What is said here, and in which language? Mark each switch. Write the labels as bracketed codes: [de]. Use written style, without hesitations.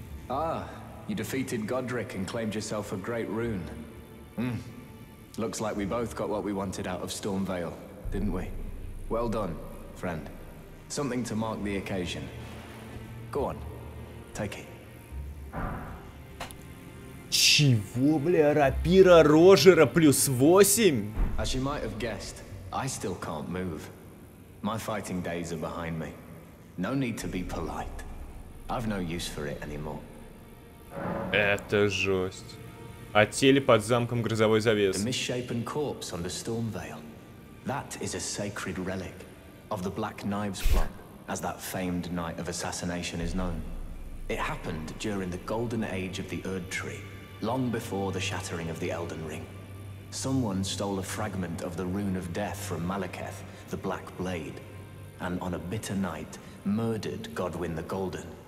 [en] Ah, you defeated Godric and claimed yourself a great rune. Looks like we both got what we wanted out of Stormvale, didn't we? Well done, friend. Something to mark the occasion. Go on, take it. [ru] Чего, бля, рапира Рожера плюс 8? [en] As you might have guessed, I still can't move. My fighting days are behind me. No need to be polite. I've no use for it anymore. [ru] Это жесть. О теле под замком Грозовой Завесы. [en] The misshapen corpse under Stormvale. That is a sacred relic of the Black Knives plot, as that famed night of assassination is known. It happened during the golden age of the Erd Tree, long before the shattering of the Elden Ring. Someone stole a fragment of the Rune of Death from Malaketh, the Black Blade, and on a bitter night, murdered Godwin the Golden.